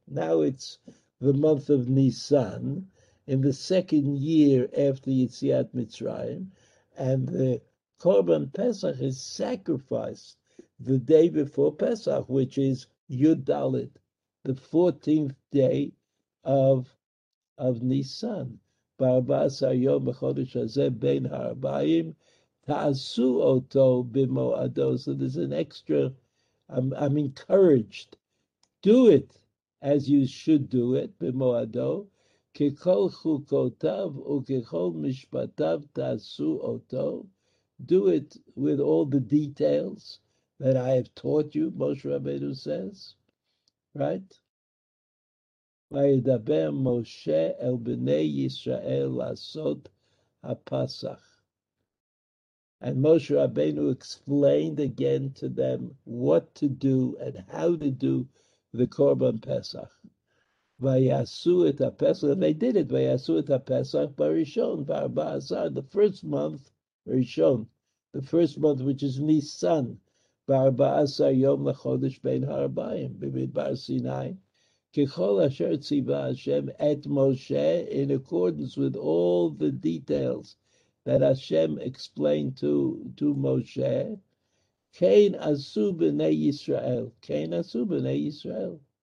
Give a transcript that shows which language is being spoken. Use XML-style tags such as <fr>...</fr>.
<en>Now it's the month of Nisan, in the second year after Yitziat Mitzrayim, and the Korban Pesach is sacrificed the day before Pesach, which is Yud Dalet, the 14th day of Nisan.</en> <he>ב-14 יום בחודש הזה בין הארבעים, תעשו אותו במועדו.</he> <en>So there's an extra, I'm encouraged. Do it as you should do it,</en> <he>במועדו, ככל חוקותיו וככל משפטיו תעשו אותו.</he> <en>Do it with all the details that I have taught you, Moshe Rabbeinu says, right?</en> <he>וידבר משה אל בני ישראל לעשות הפסח.</he> <en>And Moshe Rabbeinu explained again to them what to do and how to do the Korban Pesach.</en> <he>ויעשו את הפסח,</he> <en>and they did it,</en> <he>ויעשו את הפסח בראשון, ב-14,</he> <en>the first month,</en> <he>ראשון,</he> <en>the first month, which is Nisan,</en> <he>ב-14 יום לחודש בין הארבעים, במדבר סיני, ככל אשר ציווה השם את משה,</he> <en>in accordance with all the details that Hashem explained to Moshe,</en> <he>Kein asu b'nei Yisrael, Kein asu b'nei Yisrael.</he>